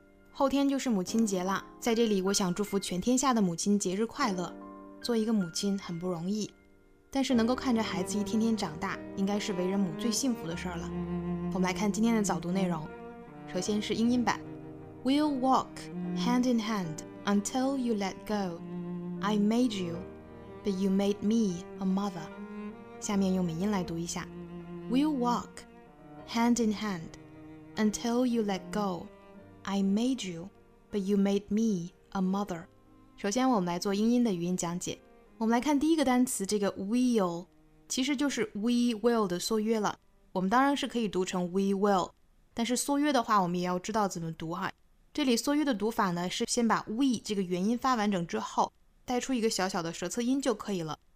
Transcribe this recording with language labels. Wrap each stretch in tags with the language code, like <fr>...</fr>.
<zh>后天就是母亲节了，在这里我想祝福全天下的母亲节日快乐。做一个母亲很不容易，但是能够看着孩子一天天长大，应该是为人母最幸福的事了。我们来看今天的早读内容，首先是英音版。</zh> <en>We'll walk hand in hand until you let go. I made you, but you made me a mother.</en> <zh>下面用美音来读一下。</zh> <en>We'll walk hand in hand until you let go. I made you, but you made me a mother.</en> <zh>首先我们来做英音的语音讲解。我们来看第一个单词，这个 will 其实就是 we will 的缩约了。我们当然是可以读成 we will， 但是缩约的话我们也要知道怎么读哈。这里缩约的读法呢，是先把 we 这个元音发完整之后，带出一个小小的舌侧音就可以了。</zh>